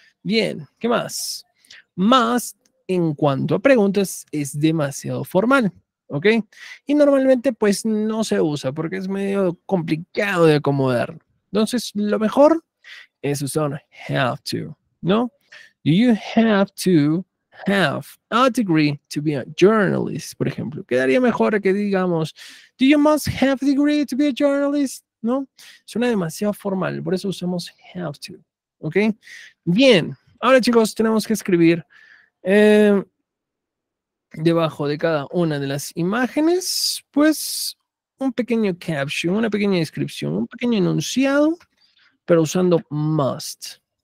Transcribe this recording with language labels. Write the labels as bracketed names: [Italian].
[Spanish] Bien, ¿qué más? Must, en cuanto a preguntas, es demasiado formal. ¿Ok? Y normalmente, pues, no se usa porque es medio complicado de acomodar. Entonces, lo mejor es usar have to, ¿no? [English] Do you have to have a degree to be a journalist, [Spanish] por ejemplo? Quedaría mejor que digamos, [English] do you must have a degree to be a journalist, [Spanish] ¿no? Suena demasiado formal, por eso usamos have to, ¿ok? Bien, ahora chicos, tenemos que escribir debajo de cada una de las imágenes, pues, un pequeño caption, una pequeña descripción, un pequeño enunciado, pero usando must.